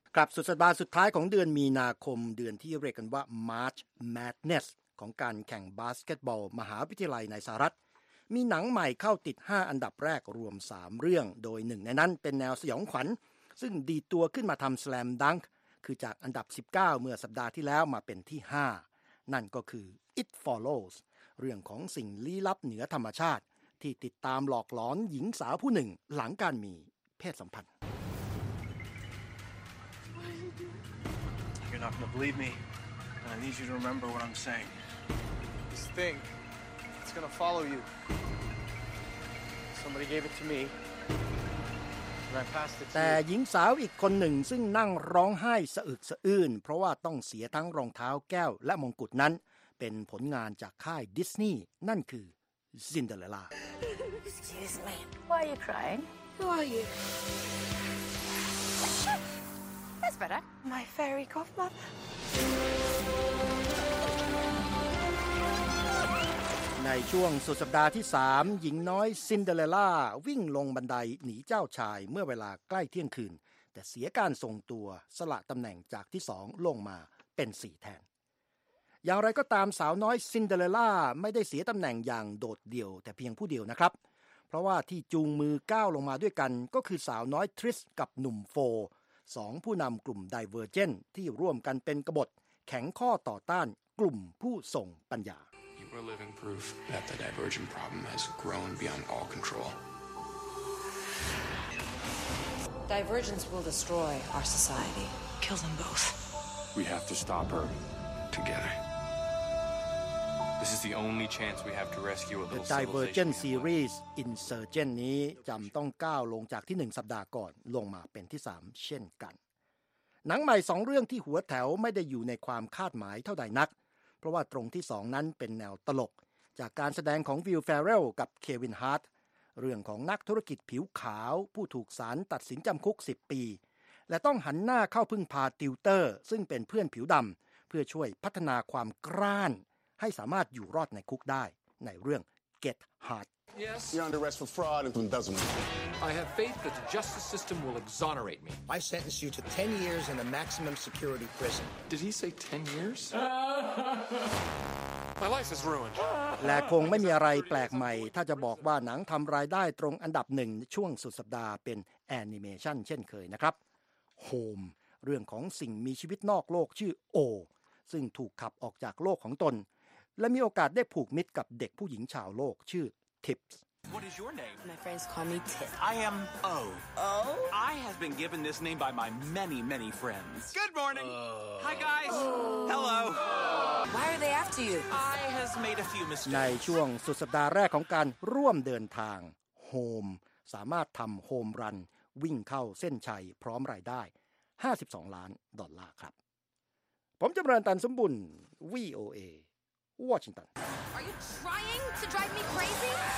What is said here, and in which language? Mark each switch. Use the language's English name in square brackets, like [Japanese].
[Thai] กลับสุดสัปดาห์สุดท้ายของเดือนมีนาคมเดือนที่เรียกกันว่า March Madness ของการแข่งบาสเกตบอลมหาวิทยาลัยในสหรัฐมีหนังใหม่เข้าติด5อันดับแรกรวม3เรื่องโดย1ในนั้นเป็นแนวสยองขวัญซึ่งดีตัวขึ้นมาทำ Slam Dunk คือจากอันดับ19เมื่อสัปดาห์ที่แล้วมาเป็นที่5นั่นก็คือ It Follows เรื่องของสิ่งลี้ลับเหนือธรรมชาติที่ติดตามหลอกหลอนหญิงสาวผู้หนึ่งหลังการมีเพศสัมพันธ์ [English] you're not going to believe me, and I need you to remember what I'm saying. This thing, it's going to follow you. Somebody gave it to me. [Thai] แต่หญิงสาวอีกคนหนึ่งซึ่งนั่งร้องไห้สะอึกสะอื้นเพราะว่าต้องเสียทั้งรองเท้าแก้วและมงกุฎนั้นเป็นผลงานจากค่ายดิสนีย์นั่นคือซินเดอเรลล่า [English] Excuse me. Why are you crying? Who are you? That's better. My fairy godmother. [Thai] ในช่วงสุดสัปดาห์ที่3หญิงน้อยซินเดอเรลล่าวิ่งลงบันไดหนีเจ้าชายเมื่อเวลาใกล้เที่ยงคืนแต่เสียการทรงตัวสละตำแหน่งจากที่2ลงมาเป็น4แทนอย่างไรก็ตามสาวน้อยซินเดอเรลล่าไม่ได้เสียตำแหน่งอย่างโดดเดี่ยวแต่เพียงผู้เดียวนะครับเพราะว่าที่จูงมือก้าวลงมาด้วยกันก็คือสาวน้อยทริสกับหนุ่มโฟ2ผู้นำกลุ่มไดเวอร์เจนที่ร่วมกันเป็นกบฏแข็งข้อต่อต้านกลุ่มผู้ส่งปัญญา [English] We're living proof that the divergent problem has grown beyond all control. Divergence will destroy our society. Kill them both. We have to stop her together. This is the only chance we have to rescue a little civilization. [Thai] The Divergent series Insurgent นี้จำต้องก้าวลงจากที่1สัปดาห์ก่อนลงมาเป็นที่3เช่นกันหนังใหม่2เรื่องที่หัวแถวไม่ได้อยู่ในความคาดหมายเท่าใดนักเพราะว่าตรงที่2นั้นเป็นแนวตลกจากการแสดงของวิลแฟร์เรลกับเควินฮาร์ทเรื่องของนักธุรกิจผิวขาวผู้ถูกศาลตัดสินจำคุก10ปี และต้องหันหน้าเข้าพึ่งพาติวเตอร์ซึ่งเป็นเพื่อนผิวดำเพื่อช่วยพัฒนาความกร้านให้สามารถอยู่รอดในคุกได้ในเรื่อง Get Hard [English] Yes You're under arrest for fraud and embezzlement I have faith that the justice system will exonerate me I sentence you to 10 years in a maximum security prison Did he say 10 years? My life is ruined [Thai] และคงไม่มีอะไรแปลกใหม่ถ้าจะบอกว่าหนังทำรายได้ตรงอันดับ1ในช่วงสุดสัปดาห์เป็นแอนิเมชันเช่นเคยนะครับ Home เรื่องของสิ่งมีชีวิตนอกโลกชื่อ O ซึ่งถูกขับออกจากโลกของตนและมีโอกาสได้ผูกมิตรกับเด็กผู้หญิงชาวโลกชื่อ Tips [English] What is your name? My friends call me Tip. I am O. O? I have been given this name by my many, many friends. Good morning. Hi, guys. Hello. Why are they after you? I have made a few mistakes. [Thai] ในช่วงสุดสัปดาห์แรกของการร่วมเดินทาง Home สามารถทำ Home Run วิ่งเข้าเส้นชัยพร้อมรายได้52ล้านดอลลาร์ครับผมจำเริญตันสมบุญ VOAWashington. [English] Are you trying to drive me crazy?